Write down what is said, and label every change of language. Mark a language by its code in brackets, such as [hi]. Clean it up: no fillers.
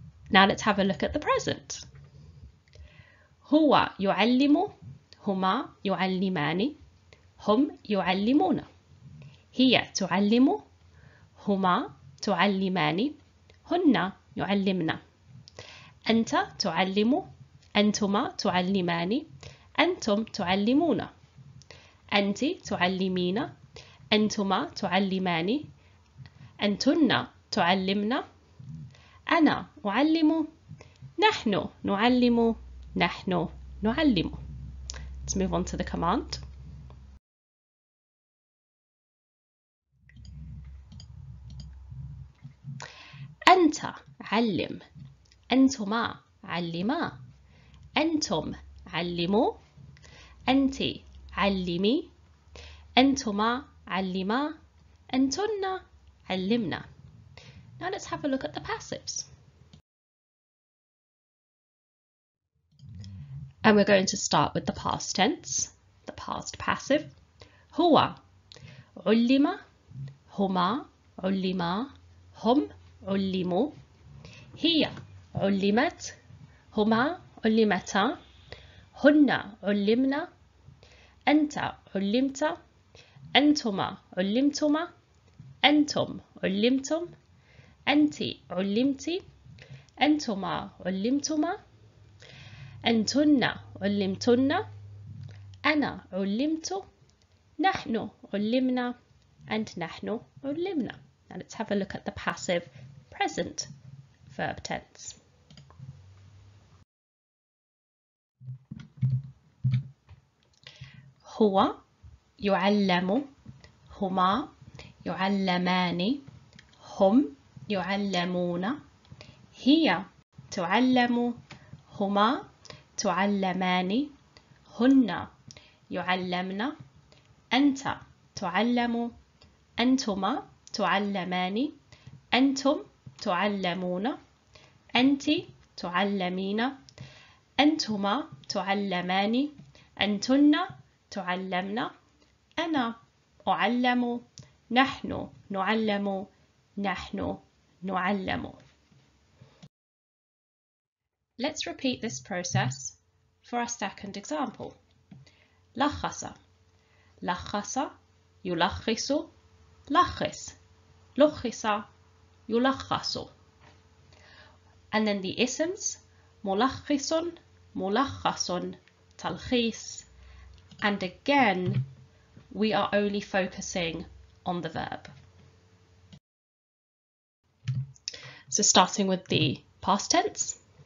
[en] Now let's have a look at the present. [ar] هو يعلم, هما يعلمان, هم يعلمون. هي تعلم, هما تعلمان, هن يعلمن. أنت تعلم, أنتما تعلمان, أنتم تعلمون. أنت تعلمين, أنتما تعلمان, أنتن تعلمن. أنا أعلم, نحن نعلم, نحن نعلم. [en] Let's move on to the command. [ar] أنت علم, أنتما علما, أنتم علموا, أنت علمي, أنتما علما, أنتن علمنا. [en] Now let's have a look at the passives. And we're going to start with the past tense, the past passive. [ar] هو علم, هما علما, هم علموا. هي علمت, هما علمتا, هن علمنا. أنت علمت, أنتما علمتما, أنتم علمتم. أنت علمت, أنتما علمتما, أنتن علمتن. أنا علمت, نحن علمنا and نحن علمنا. [en] Now let's have a look at the passive present verb tense. [ar] هو يعلم, هما يعلمان, هم يعلمون. هي تعلم, هما تعلمان, هن يعلمن. أنت تعلم, أنتما تعلمان, أنتم تعلمون. أنت تعلمين, أنتما تعلمان, أنتن تعلمنا. أنا أعلم, نحن نعلم, نحن نعلم. [en] Let's repeat this process for our second example. [ar] لخص, لخص, يلخص, لخص, لخص, يلخص. [en] And then the isms, [ar] ملخص, ملخص, تلخيص. [en] And again, we are only focusing on the verb. So starting with the past tense.